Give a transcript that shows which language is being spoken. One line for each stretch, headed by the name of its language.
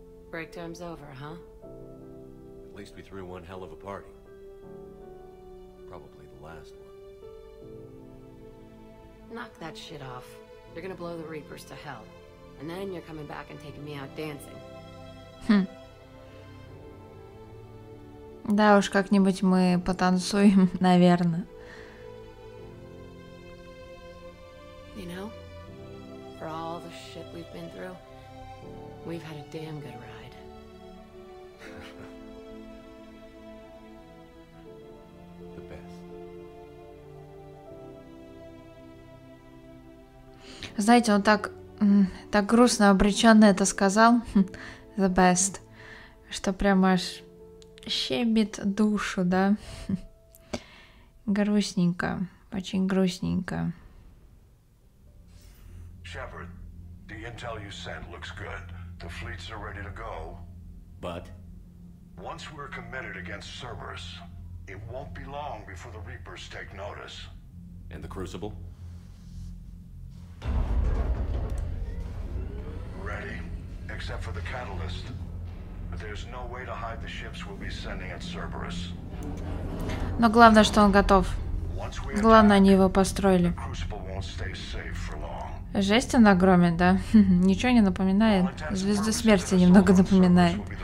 English: Break time's over, huh? At least we threw one hell of a party. Probably the last one. Knock that shit off. You're gonna blow the Reapers to hell. And then you're coming back and taking me out dancing.
Russian: Да уж, как-нибудь мы потанцуем, наверное.
English: You know, for all the shit we've been through, we've had a damn good ride. The best.
Russian: Знаете, он так грустно, обреченно это сказал.
English: The best.
Russian: Что прям аж щемит душу, да? Грустненько, очень грустненько.
English: Shepard, the intel you sent looks good. The fleets are ready to go. But? Once we're committed against Cerberus, it won't be long before the Reapers take notice. And the Crucible? Ready, except for the Catalyst. But there's no way to hide the ships we'll be sending at Cerberus.
Russian: Но главное, что он готов. Главное, они его построили.
English: The Crucible won't stay safe for long.
Russian: Жесть она огромен, да? Ничего не напоминает? Звезду смерти немного напоминает.